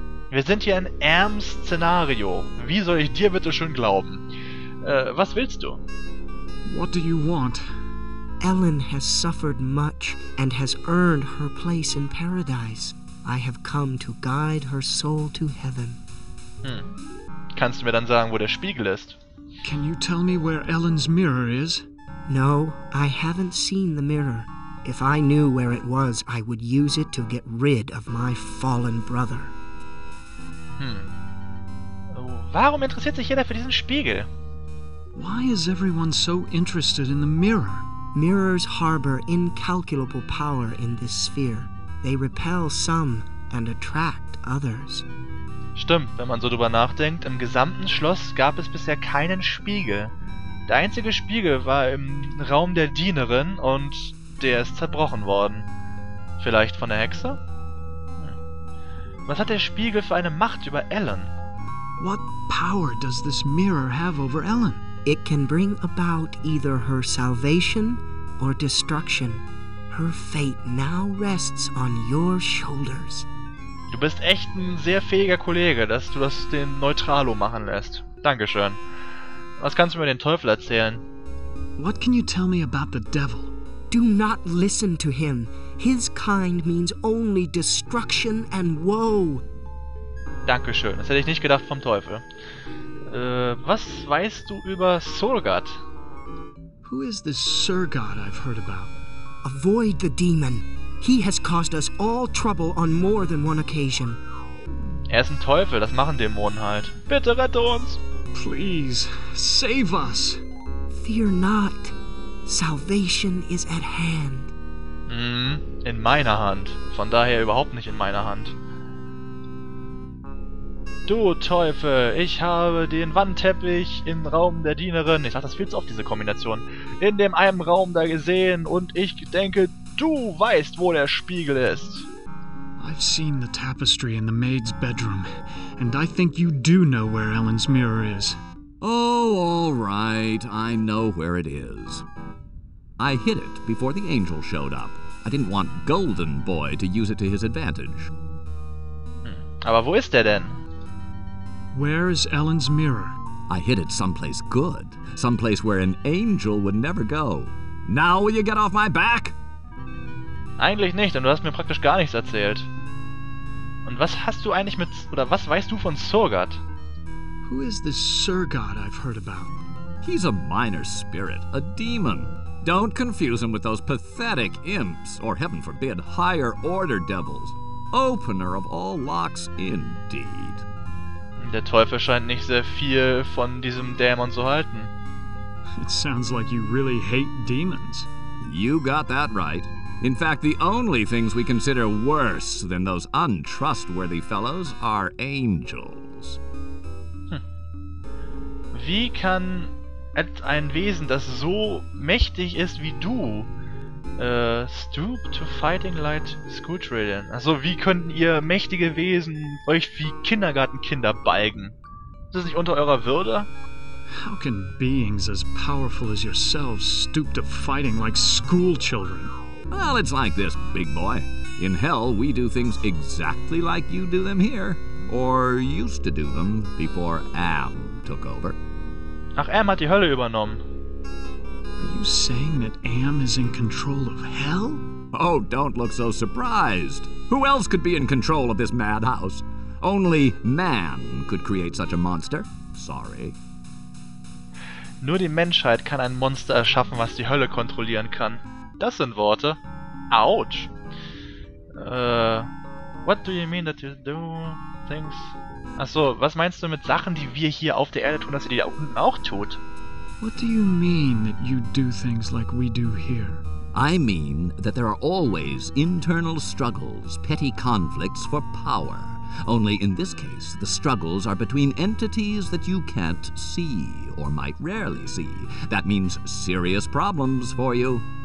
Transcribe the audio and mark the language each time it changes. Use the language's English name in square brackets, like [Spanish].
[German] Wir sind hier in Erms Szenario. Wie soll ich dir bitte schön glauben? Was willst du? [English] What do you want? Ellen has suffered much and has earned her place in paradise. I have come to guide her soul to heaven. [German] Kannst du mir dann sagen, wo der Spiegel ist? [English] Can you tell me where Ellen's mirror is? No, I haven't seen the mirror. If I knew where it was, I would use it to get rid of my fallen brother. [German] Warum interessiert sich jeder für diesen Spiegel? [English] Why is everyone so interested in the mirror? Mirrors harbor incalculable power in this sphere. They repel some and attract others. [German] Stimmt, wenn man so drüber nachdenkt, im gesamten Schloss gab es bisher keinen Spiegel. Der einzige Spiegel war im Raum der Dienerin und der ist zerbrochen worden. Vielleicht von der Hexe? Was hat der Spiegel für eine Macht über Ellen? [English] What power does this mirror have over Ellen? It can bring about either her salvation or destruction. Her fate now rests on your shoulders. [German] Du bist echt ein sehr fähiger Kollege, dass du das den Neutralo machen lässt. Dankeschön. Was kannst du mir über den Teufel erzählen? [English] What can you tell me about the devil? Do not listen to him. His kind means only destruction and woe. [German] Dankeschön, das hätte ich nicht gedacht vom Teufel. Was weißt du über Surgat? [English] Who is this Surgat I've heard about? Avoid the demon. He has caused us all trouble on more than one occasion. [German] Er ist ein Teufel, das machen Dämonen halt. Bitte rette uns! [English] Please, save us! Fear not. Salvation is at hand. [German] In meiner Hand. Von daher überhaupt nicht in meiner Hand. Du Teufel, ich habe den Wandteppich im Raum der Dienerin, ich sag das viel zu oft, diese Kombination, in dem einen Raum da gesehen und ich denke, du weißt, wo der Spiegel ist. [English] I've seen the tapestry in the maid's bedroom and I think you do know where Ellen's mirror is. Oh, all right, I know where it is. I hid it before the angel showed up. I didn't want Golden Boy to use it to his advantage. [German] Aber wo ist der denn? [English] Where is Ellen's mirror? I hid it someplace good. Someplace where an angel would never go. Now will you get off my back? [German] Eigentlich nicht, denn du hast mir praktisch gar nichts erzählt. Und was hast du eigentlich mit... oder was weißt du von Surgat? [English] Who is this Surgat I've heard about? He's a minor spirit, a demon. Don't confuse him with those pathetic imps, or heaven forbid, higher order devils. Opener of all locks, indeed. [German] Der Teufel scheint nicht sehr viel von diesem Dämon zu halten. [English] It sounds like you really hate demons. You got that right. In fact, the only things we consider worse than those untrustworthy fellows are angels. [German] Wie kann ein Wesen, das so mächtig ist wie du, [English] stoop to fighting light school children. [German] Also, wie könnten ihr mächtige Wesen euch wie Kindergartenkinder balgen? Ist das nicht unter eurer Würde? [English] How can beings as powerful as yourselves stoop to fighting like school children? Well, it's like this, big boy. In hell, we do things exactly like you do them here. Or used to do them before Am took over. [German] Ach, Am hat die Hölle übernommen. [English] Are you saying that Am is in control of hell? Oh, don't look so surprised. Who else could be in control of this madhouse? Only man could create such a monster. Sorry. [German] Nur die Menschheit kann ein Monster erschaffen, was die Hölle kontrollieren kann. Das sind Worte. Ouch. [English] What do you mean that you do things? [German] Achso, was meinst du mit Sachen, die wir hier auf der Erde tun, dass ihr die da unten auch tut? [English] What do you mean that you do things like we do here? I mean that there are always internal struggles, petty conflicts for power. Only in this case, the struggles are between entities that you can't see or might rarely see. That means serious problems for you.